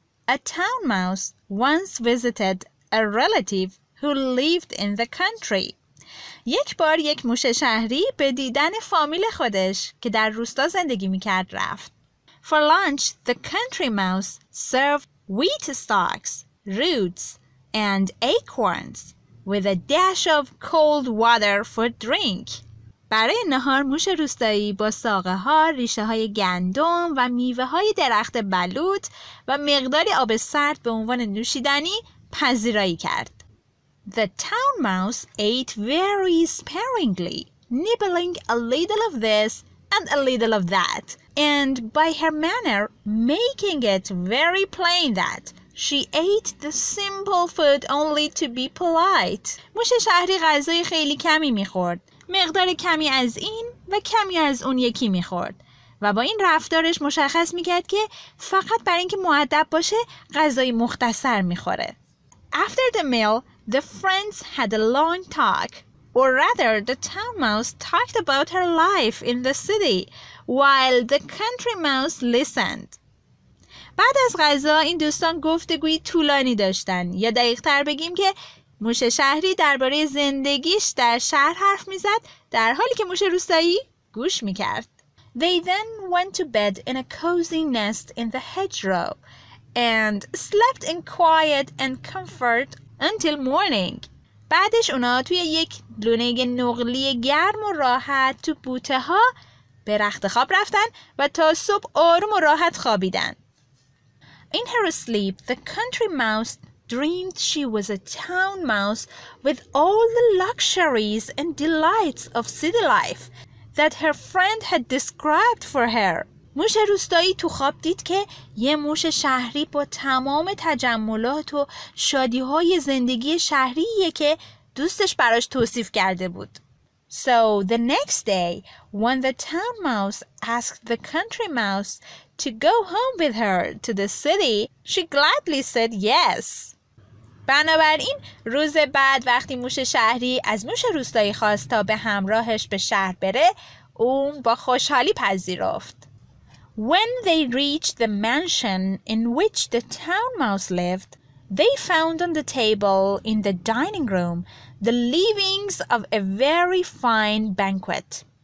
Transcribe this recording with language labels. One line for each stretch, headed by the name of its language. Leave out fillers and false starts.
English: A town mouse once visited a relative who lived in the country.
Persian: یک بار یک موش شهری به دیدن فامیل خودش که در روستا زندگی میکرد رفت.
English: For lunch, the country mouse served wheat stalks, roots, and acorns with a dash of cold water for drink.
Persian: برای نهار موش روستایی با ساقه ها، ریشه های گندم و میوه های درخت بلوط و مقداری آب سرد به عنوان نوشیدنی پذیرایی کرد.
English: The town mouse ate very sparingly, nibbling a little of this and a little of that, and by her manner making it very plain that she ate the simple food only to be polite.
Persian: موش شهری غذای خیلی کمی میخورد. مقدار کمی از این و کمی از اون یکی میخورد. و با این رفتارش مشخص میکرد که فقط برای اینکه مؤدب باشه غذای مختصر میخوره.
English: After the meal, the friends had a long talk, or rather the town mouse talked about her life in the city, while the country mouse listened.
Persian: بعد از غذا این دوستان گفتگوی طولانی داشتن، یا دقیق تر بگیم که موش شهری درباره زندگیش در شهر حرف میزد در حالی که موش روستایی گوش میکرد.
English: They then went to bed in a cozy nest in the hedgerow and slept in quiet and comfort until morning.
Persian: بعدش اونا توی یک لونه نقلی گرم و راحت تو بوته ها به رخت خواب رفتن و تا صبح آروم و راحت خوابیدن.
English: In her sleep, the country mouse dreamed she was a town mouse with all the luxuries and delights of city life that her friend had described for her.
Persian: موش روستایی تو خواب دید که یه موش شهری با تمام تجملات و شادی‌های زندگی شهریه که دوستش براش توصیف کرده بود.
English: So the next day, when the town mouse asked the country mouse to go home with her to the city, she gladly said yes.
Persian: بنابراین روز بعد وقتی موش شهری از موش روستایی خواست تا به همراهش به شهر بره، اون با خوشحالی پذیرفت.
English: When they reached the mansion in which the town mouse lived, they found on the table in the dining room the leavings of a very fine banquet.